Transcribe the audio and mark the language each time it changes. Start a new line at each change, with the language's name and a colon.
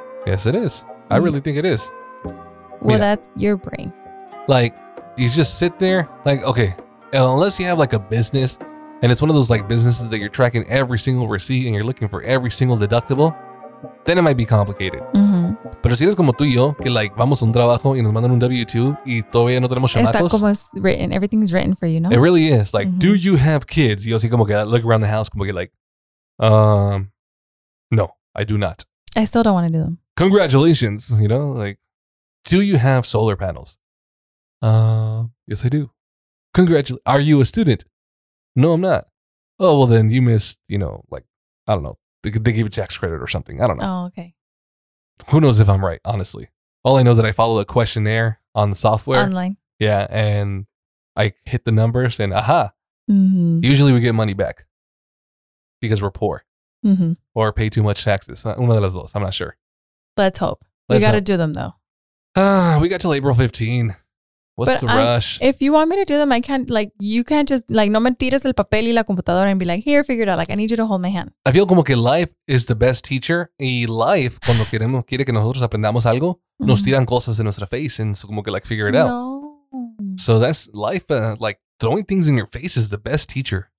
English: Yes, it is. I really think it is. Well, yeah. That's your brain. Like, you just sit there. Like, okay, unless you have like a business and it's one of those like businesses that you're tracking every single receipt and you're looking for every single deductible, then it might be complicated. Mm-hmm.
Spanish: Pero si eres como tú y yo, que like, vamos a un trabajo y nos mandan un W-2 y todavía no tenemos chamacos.
English: Está como es written. Everything's written for you, no? It really is. Like, mm-hmm. Do you have kids? Yo sí como que look around the house como que like, no, I do not. I still don't want to do them. Congratulations, you know, like, do you have solar panels? Yes, I do. Congratulations. Are you a student? No, I'm not. Oh, well, then you missed, you know, like, I don't know. They gave a tax credit or something. I don't know. Oh, okay. Who knows if I'm right, honestly. All I know is that I followed a questionnaire on the software. Online. Yeah, and I hit the numbers and aha. Mm-hmm. Usually we get money back because we're poor. Mm-hmm. Or pay too much taxes. Una de las dos. I'm not sure. Let's hope. Let's we got to do them, though. We got till April 15. What's but the rush? If you want me to do them, I can't, like, you can't just, like, no me tires el papel y la computadora and be like, here, figure it out. Like, I need you to hold my hand. I feel como que life is the best teacher.
Spanish: Y life, cuando queremos, quiere que nosotros aprendamos algo, mm-hmm. nos tiran cosas en nuestra face. And so como que, like, figure it no.
English: out. So that's life, like, throwing things in your face is the best teacher.